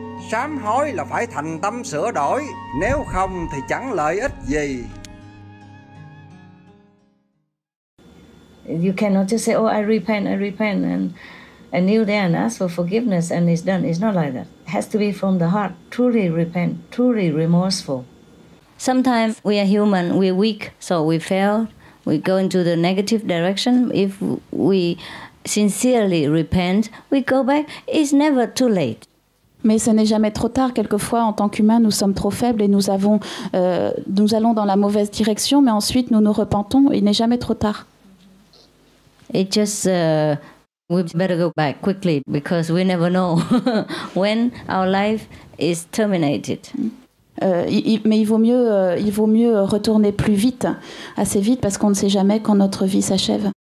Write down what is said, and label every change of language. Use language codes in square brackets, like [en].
[vi] sám hối là phải thành tâm sửa đổi, nếu không thì chẳng lợi ích gì. [en] You cannot just say, oh, I repent, and kneel there and ask for forgiveness, and it's done. It's not like that. It has to be from the heart, truly repent, truly remorseful. Sometimes we are human, we're weak, so we fail. We go into the negative direction. If we sincerely repent, we go back. It's never too late. [fr] Mais ce n'est jamais trop tard. Quelquefois, en tant qu'humains, nous sommes trop faibles et nous avons, nous allons dans la mauvaise direction, mais ensuite nous nous repentons. Il n'est jamais trop tard. [en] It just we better go back quickly because we never know when our life is terminated. [fr] Mais il vaut mieux retourner plus vite, assez vite, parce qu'on ne sait jamais quand notre vie s'achève.